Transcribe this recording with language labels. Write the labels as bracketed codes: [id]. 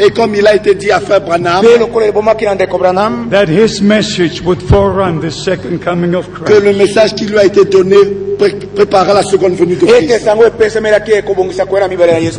[fr] Et comme il a été dit à Frère Branham. [en] That his message would forerun the second coming of Christ. [fr] Que le message qui lui a été donné préparera la seconde venue de Christ.